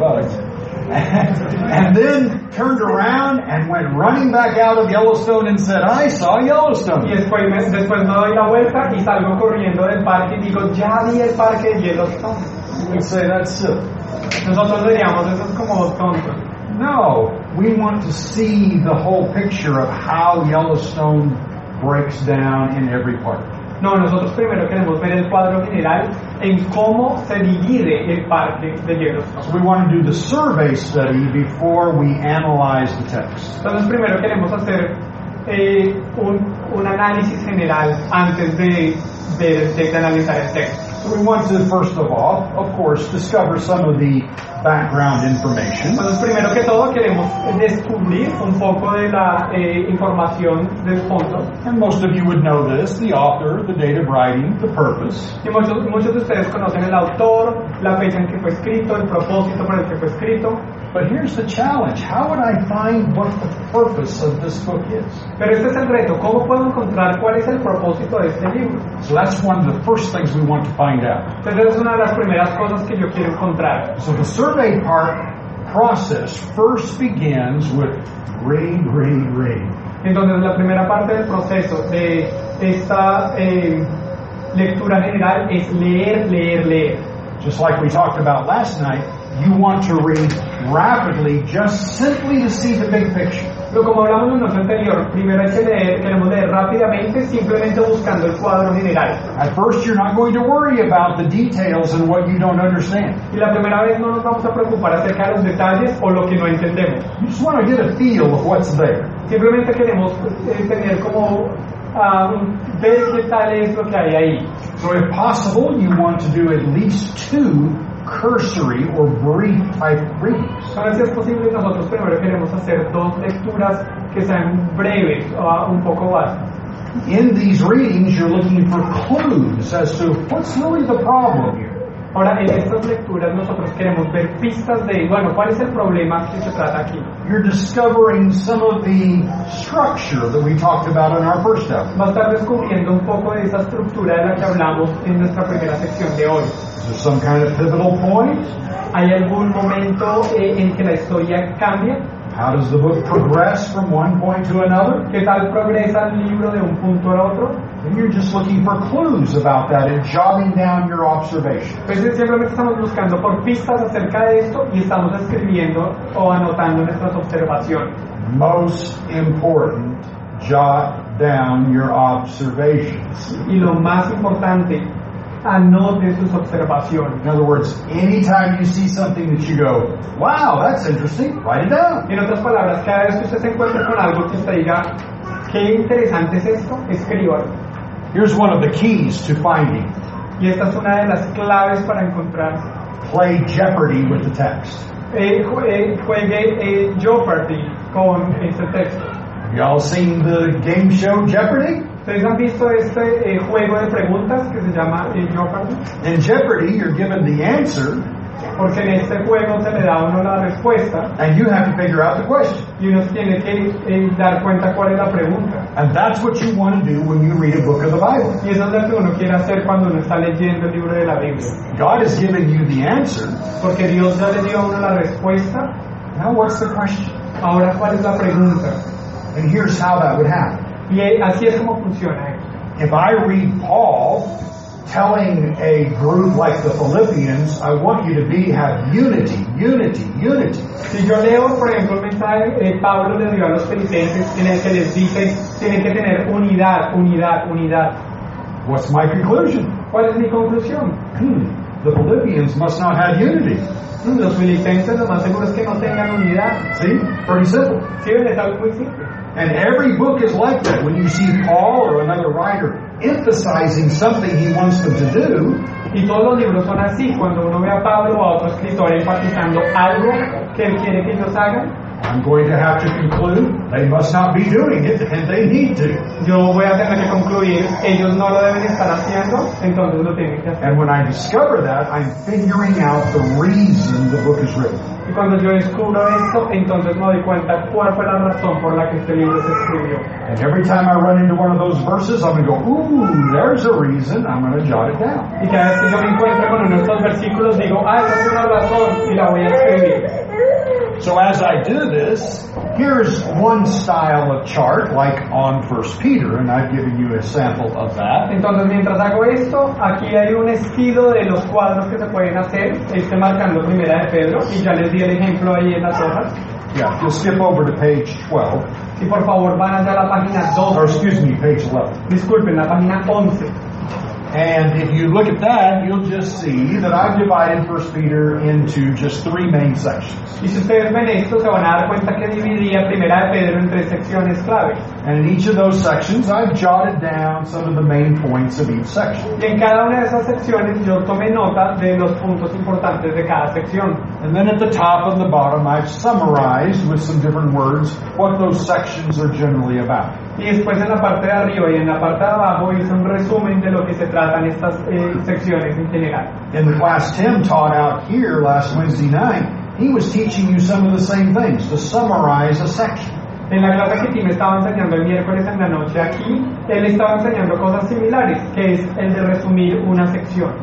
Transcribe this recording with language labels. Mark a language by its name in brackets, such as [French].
[English] And then turned around and went running back out of Yellowstone and said, I saw Yellowstone. [Spanish] Y después me doy la vuelta y salgo corriendo del parque y digo, ya vi el parque de Yellowstone. [English] We say that's silly. [Spanish] Nosotros diríamos, eso es como tonto. [English] No, we want to see the whole picture of how Yellowstone breaks down in every part. [Spanish] No, nosotros primero queremos ver el cuadro general en cómo se divide el parque de Yellowstone. [English] So we want to do the survey study before we analyze the text. [Spanish] Entonces primero queremos hacer un análisis general antes de analizar el texto. [English] So we want to, first of course, discover some of the background information. [Spanish] Entonces, primero que todo, queremos descubrir un poco de la información del fondo. [English] And most of you would know this, the author, the date of writing, the purpose. [Spanish] Y muchos de ustedes conocen el autor, la fecha en que fue escrito, el propósito por el que fue escrito. [English] But here's the challenge. How would I find what the purpose of this book is? [Spanish] Pero este es el reto. ¿Cómo puedo encontrar cuál es el propósito de este libro? [English] So that's one of the first things we want to find out. [Spanish] Entonces es una de las primeras cosas que yo quiero encontrar. [English] So the survey part process first begins with read, read, read. [Spanish] Entonces la primera parte del proceso de esta lectura general es leer, leer, leer. [English] Just like we talked about last night, you want to read rapidly, just simply to see the big picture. [Spanish] Pero como hablamos en nuestro anterior, primero hay que leer, queremos leer rápidamente, simplemente buscando el cuadro general. [English] At first, you're not going to worry about the details and what you don't understand. [Spanish] Y la primera vez no nos vamos a preocupar acerca de los detalles o lo que no entendemos. [English] You just want to get a feel of what's there. [Spanish] Simplemente queremos tener como ver qué tal es lo que hay ahí. [English] So, if possible, you want to do at least two cursory or brief type readings. [Spanish] Para ser posible, nosotros primero queremos hacer dos lecturas que sean breves o un poco más. [English] In these readings, you're looking for clues as to what's really the problem here. [Spanish] Ahora, en estas lecturas, nosotros queremos ver pistas de, bueno, ¿cuál es el problema que se trata aquí? [English] You're discovering some of the structure that we talked about in our first step. [Spanish] Va a estar descubriendo un poco de esa estructura de la que hablamos en nuestra primera sección de hoy. [English] Is there some kind of pivotal point? [Spanish] ¿Hay algún momento en que la historia cambia? [English] How does the book progress from one point to another? [Spanish] ¿Qué tal progresa el libro de un punto al otro? [English] And you're just looking for clues about that and jotting down your observations. [Spanish] Pues simplemente estamos buscando por pistas acerca de esto y estamos escribiendo o anotando nuestras observaciones. [English] Most important, jot down your observations. [Spanish] Y lo más importante, anote sus observaciones. [English] In other words, anytime you see something that you go, wow, that's interesting, write it down. [Spanish] En otras palabras, cada vez que usted se encuentre con algo que usted diga, qué interesante es esto, escríbalo. [English] Here's one of the keys to finding. [Spanish] Y esta es una de las claves para encontrar. [English] Play Jeopardy with the text. [Spanish] Juegue Jeopardy con este texto. [English] Y'all seen the game show Jeopardy? [Spanish] ¿Ustedes han visto este juego de preguntas que se llama Jeopardy? [English] In Jeopardy, you're given the answer. [Spanish] Porque en este juego se le da uno la respuesta. [English] And you have to figure out the question. [Spanish] Y uno tiene que dar cuenta cuál es la pregunta. [English] And that's what you want to do when you read a book of the Bible. [Spanish] Y eso es lo que uno quiere hacer cuando uno está leyendo el libro de la Biblia. [English] God has given you the answer. [Spanish] Porque Dios ya le dio a uno la respuesta. [English] Now what's the question? [Spanish] Ahora, ¿cuál es la pregunta? [English] And here's how that would happen. [Spanish] Y así es como funciona. [English] If I read Paul telling a group like the Philippians, I want you to have unity, unity, unity. [Spanish] Si yo leo, por ejemplo, Pablo le dio a los filipenses en el que les dice, tienen que tener unidad, unidad, unidad. [English] What's my conclusion? [Spanish] ¿Cuál es mi conclusión? [English] The Philippians must not have unity. [Spanish] Los filipenses lo más seguro es que no tengan unidad. [English] See? Pretty simple. [Spanish] Sí, es algo muy simple. [English] And every book is like that. When you see Paul or another writer emphasizing something he wants them to do. [Spanish] Y todos los libros son así. Cuando uno ve a Pablo o a otro escritor enfatizando algo que él quiere que ellos hagan. [English] I'm going to have to conclude they must not be doing it, and they need to. [Spanish] Yo voy a tener que concluir, ellos no lo deben estar haciendo, entonces lo tienen que hacer. [English] And when I discover that, I'm figuring out the reason the book is written. [Spanish] Y cuando yo descubro esto, entonces me doy cuenta cuál fue la razón por la que este libro se escribió. [English] And every time I run into one of those verses, I'm going to go, ooh, there's a reason, I'm going to jot it down. [Spanish] Y cada vez que yo me encuentro con uno de estos versículos, digo, ay, esa es una razón, y la voy a escribir. [English] So as I do this, here's one style of chart, like on 1 Peter, and I've given you a sample of that. [Spanish] Entonces, mientras hago esto, aquí hay un estilo de los cuadros que se pueden hacer, marcando primera de Pedro, y ya les di el ejemplo ahí en las hojas. [English] Yeah, just skip over to page 12. [Spanish] Y por favor, van allá a la página 12. [English] Or excuse me, page 11. [Spanish] Disculpen, la página 11. [English] And if you look at that, you'll just see that I've divided 1 Peter into just three main sections. [Spanish] Y si ustedes ven esto, se van a dar cuenta que dividía primera de Pedro en tres secciones clave. [English] And in each of those sections, I've jotted down some of the main points of each section. [Spanish] Y en cada una de esas secciones, yo tomé nota de los puntos importantes de cada sección. [English] And then at the top and the bottom, I've summarized with some different words what those sections are generally about. [Spanish] Y después en la parte de arriba y en la parte de abajo hice un resumen de lo que se tratan estas secciones en general. [English] In the class Tim taught out here last Wednesday night, he was teaching you some of the same things, to summarize a section. [Spanish] En la clase que Tim estaba enseñando el miércoles en la noche aquí, él estaba enseñando cosas similares, que es el de resumir una sección.